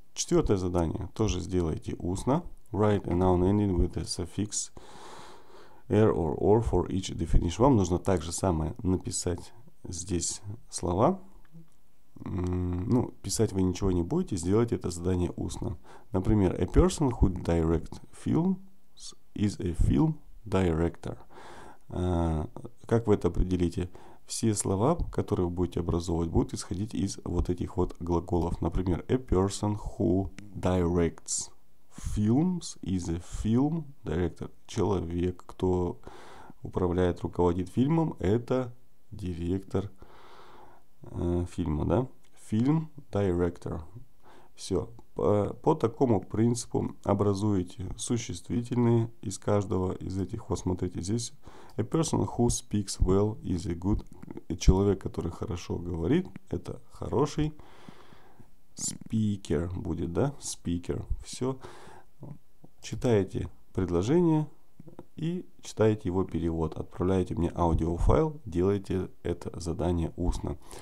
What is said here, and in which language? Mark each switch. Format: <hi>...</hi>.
<ru>Четвертое задание тоже сделайте устно.</ru> <en>Write a noun ending with a suffix er or or for each definition.</en> <ru>Вам нужно так же самое написать здесь слова. Ну, писать вы ничего не будете, сделайте это задание устно.</ru> <en>Например, a person who directs films is a film director.</en> <ru>Как вы это определите? Все слова, которые вы будете образовывать, будут исходить из вот этих вот глаголов.</ru> <en>Например, a person who directs films is a film director.</en> <ru>Человек, кто управляет, руководит фильмом, это директор фильма, да? Фильм, director. Все. По такому принципу образуете существительные из каждого из этих. Вот смотрите здесь.</ru> <en>A person who speaks well is a good.</en> <ru>Человек, который хорошо говорит, это хороший. Speaker будет, да? Speaker. Все. Читаете предложение и читаете его перевод. Отправляете мне аудиофайл, делаете это задание устно.</ru>